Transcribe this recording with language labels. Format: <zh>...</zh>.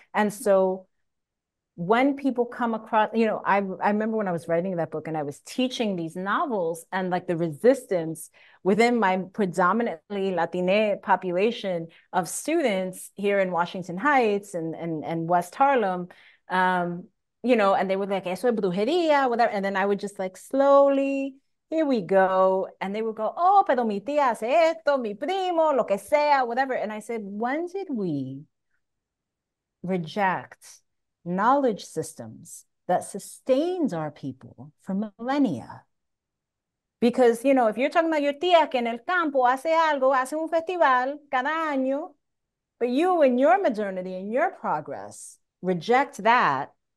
<en>And so when people come across, you know, I remember when I was writing that book and I was teaching these novels and like the resistance within my predominantly Latine population of students here in Washington Heights and West Harlem, you know, and they were like,</en> <es>eso es brujería,</es> <en>whatever. And then I would just like, slowly, here we go. And they would go, oh,</en> <es>pero mi tía hace esto, mi primo, lo que sea,</es> <en>whatever. And I said, when did we reject knowledge systems that sustains our people for millennia? Because, you know, if you're talking about your tía</en> <es>que en el campo hace algo, hace un festival cada año,</es> <en>but you and your modernity and your progress reject that.</en>